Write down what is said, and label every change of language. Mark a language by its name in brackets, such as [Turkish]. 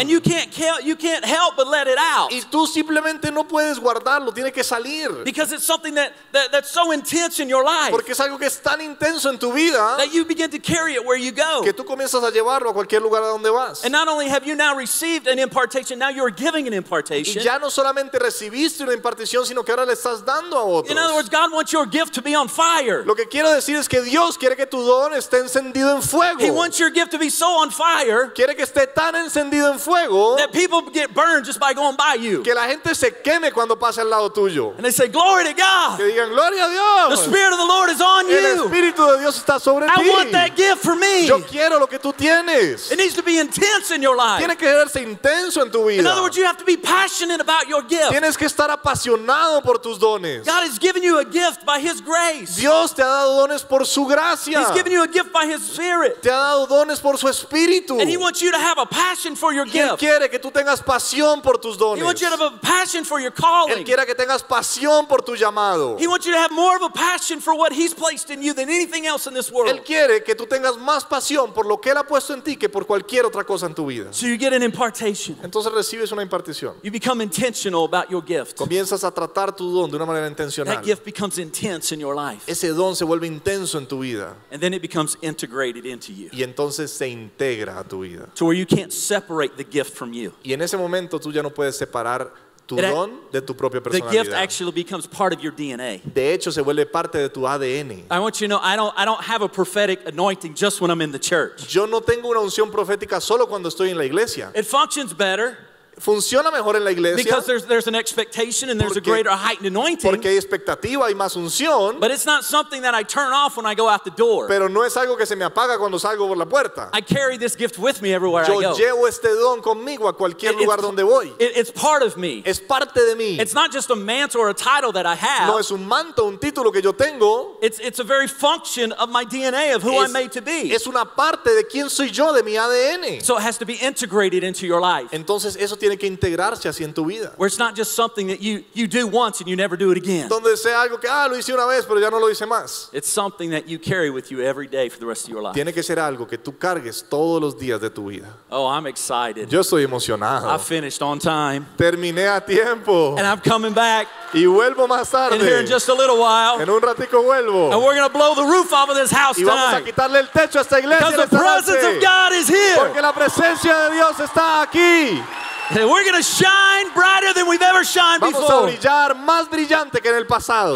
[English] And you can't help but let it out. [Spanish] Y tú simplemente no puedes guardarlo, tiene que salir. [English] Because it's something that's so intense in your life. [Spanish] Porque es algo que es tan intenso en tu vida. [English] That you begin to carry it where you go. [Spanish] Que tú comienzas a llevarlo a cualquier lugar a donde vas. [English] And not only have you now received an impartation, now you're giving an impartation. [Spanish] Y ya no solamente recibiste una impartición, sino que ahora le estás dando a otros. [English] In other words, God wants your gift to be on fire. [Spanish] Lo que quiero decir es que Dios quiere que tu don esté encendido en fuego. [English] He wants your gift to be so on fire. [Spanish] Quiere que esté tan encendido en fuego. [English] That people get burned just by going by you. [Spanish] Que la gente se queme cuando pase al lado tuyo. [English] And they say, glory to God. [Spanish] Que digan, gloria a Dios. [English] The Spirit of the Lord is on you. [Spanish] El Espíritu de Dios está sobre ti. [English] I want that gift for me. [Spanish] Yo quiero lo que tú tienes. [English] It needs to be intense in your life. [Spanish] Tiene que verse intenso en tu vida. [English] In other words, you have to be passionate about your gift. [Spanish] Tienes que estar apasionado por tus dones. [English] God has given you a gift by His grace. [Spanish] Dios te ha dado dones por su gracia. [English] He's given you a gift by His Spirit. [Spanish] Te ha dado dones por su Espíritu. [English] And He wants you to have a passion for your gift. [Spanish] Quiere que tú tengas pasión por tus dones. [English] He wants you to have a passion for your calling. [Spanish] Él quiere que tengas pasión por tu llamado. [English] He wants you to have more of a passion for what He's placed in you than anything else in this world. [Spanish] Él quiere que tú tengas más pasión por lo que Él ha puesto en ti que por cualquier otra cosa en tu vida. [English] So you get an impartation. [Spanish] Entonces recibes una impartición. [English] You become intentional about your gift. [Spanish] Comienzas a tratar tu don de una manera intencional. [English] That gift becomes intense in your life. [Spanish] Ese don se vuelve intenso en tu vida. [English] And then it becomes integrated into you. [Spanish] Y entonces se integra a tu vida. [English] To where you can't separate the gift from you. [Spanish] Y en ese momento tú ya no puedes separar tu don de tu propia personalidad. [English] The gift actually becomes part of your DNA. [Spanish] De hecho, se vuelve parte de tu ADN. [English] I want you to know I don't have a prophetic anointing just when I'm in the church. [Spanish] Yo no tengo una unción profética solo cuando estoy en la iglesia. [English] It functions better. [Spanish] Funciona mejor en la iglesia. [English] Because there's an expectation and there's [Spanish] porque, [English] a greater heightened anointing. [Spanish] Porque hay expectativa y más unción. [English] But it's not something that I turn off when I go out the door. [Spanish] Pero no es algo que se me apaga cuando salgo por la puerta. [English] I carry this gift with me everywhere [Spanish] yo [English] I go. [Spanish] Yo llevo este don conmigo a cualquier lugar donde voy. [English] It's part of me. [Spanish] Es parte de mí. [English] It's not just a mantle or a title that I have. [Spanish] No es un manto, un título que yo tengo. [English] It's a very function of my DNA of who I'm made to be. [Spanish] Es una parte de quién soy yo, de mi ADN. [English] So it has to be integrated into your life. [Spanish] Entonces eso tiene que integrarse así en tu vida. [English] Where it's not just something that you do once and you never do it again. [Spanish] Donde sea algo que lo hice una vez, pero ya no lo hice más. [English] It's something that you carry with you every day for the rest of your life. [Spanish] Tiene que ser algo que tú cargues todos los días de tu vida. [English] Oh, I'm excited. [Spanish] Yo estoy emocionado. [English] I finished on time. [Spanish] Terminé a tiempo. [English] And I'm coming back. [Spanish] Y vuelvo más tarde. [English] And here in just a little while. [Spanish] En un ratico vuelvo. [English] And we're going to blow the roof off of this house tonight. [Spanish] Y vamos a quitarle el techo a esta iglesia. [English] Because the presence of God is here. [Spanish] Porque la presencia de Dios está aquí. [English] And we're going to shine brighter than we've ever shined [Spanish] vamos [English] before. [Spanish] A brillar más brillante que en el pasado.